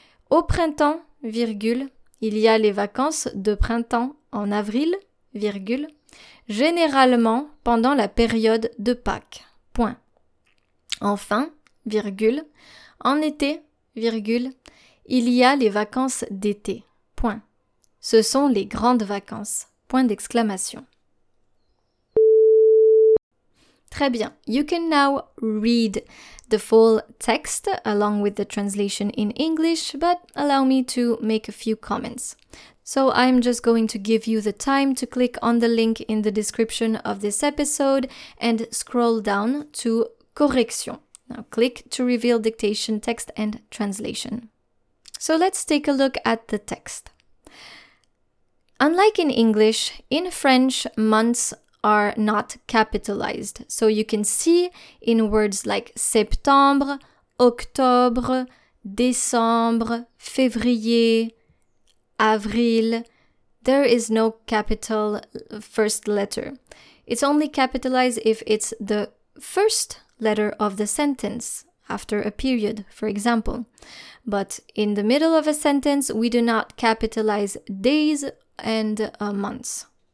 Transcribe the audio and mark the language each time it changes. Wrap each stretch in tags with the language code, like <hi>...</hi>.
<fr>Au printemps, virgule, il y a les vacances de printemps en avril, virgule, généralement pendant la période de Pâques. Point. Enfin, virgule, en été, virgule, il y a les vacances d'été. Point. Ce sont les grandes vacances. Point d'exclamation. Très bien.</fr> <en>You can now read the full text along with the translation in English, but allow me to make a few comments. So I'm just going to give you the time to click on the link in the description of this episode and scroll down to correction. Now click to reveal dictation, text and translation. So let's take a look at the text. Unlike in English, in French, months are not capitalized. So you can see in words like septembre, octobre,</en> <fr>décembre, février, avril.</fr> <en>There is no capital first letter. It's only capitalized if it's the first letter of the sentence after a period, for example. But in the middle of a sentence, we do not capitalize days and months.</en>